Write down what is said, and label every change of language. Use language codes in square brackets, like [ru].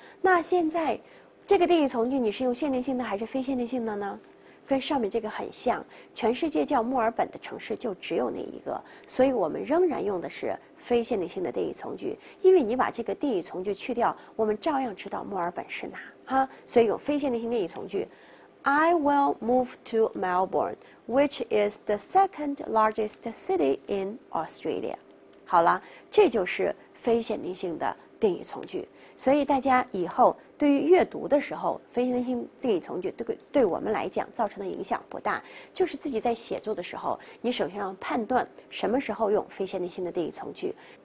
[zh] 那现在这个定语从句你是用限定性的还是非限定性的呢？跟上面这个很像，全世界叫墨尔本的城市就只有那一个，所以我们仍然用的是非限定性的定语从句，因为你把这个定语从句去掉，我们照样知道墨尔本是哪，哈，所以用非限定性定语从句。 [en] I will move to Melbourne, which is the second largest city in Australia. [zh] 好了，这就是非限定性的定语从句。所以大家以后对于阅读的时候，非限定性定语从句对我们来讲造成的影响不大。就是自己在写作的时候，你首先要判断什么时候用非限定性的定语从句。